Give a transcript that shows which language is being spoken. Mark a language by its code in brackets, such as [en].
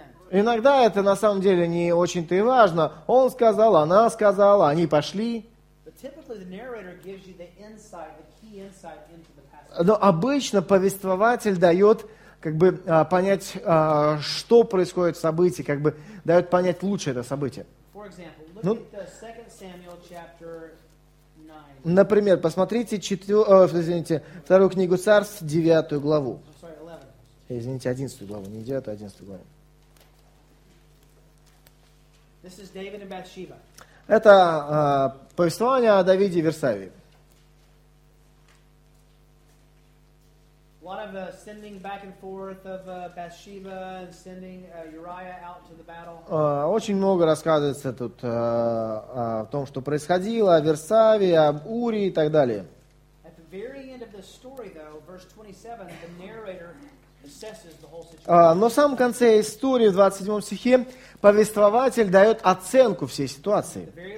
[ru] Иногда это на самом деле не очень-то и важно. Он сказал, она сказала, они пошли. [en] Typically, the narrator gives you the insight, the key insight into the passage. [ru] Но обычно повествователь дает, как бы, понять, что происходит в событии, как бы дает понять лучше это событие. [en] For example, look at the 2 Samuel chapter 9. [ru] Например, посмотрите 2 книгу Царств, 9 главу. Извините, 11 главу, не 9, а 11 главу. [en] This is David and Bathsheba. [ru] Это повествование о Давиде и Версавии. [en] One of the sending back and forth of Bathsheba and sending Uriah out to the battle. [ru] Очень много рассказывается тут о том, что происходило, о Версавии, об Урии и так далее. [en] At the very end of the story, though, verse 27, the narrator assesses the whole situation. [ru] Но в самом конце истории, в 27 стихе, повествователь дает оценку всей ситуации.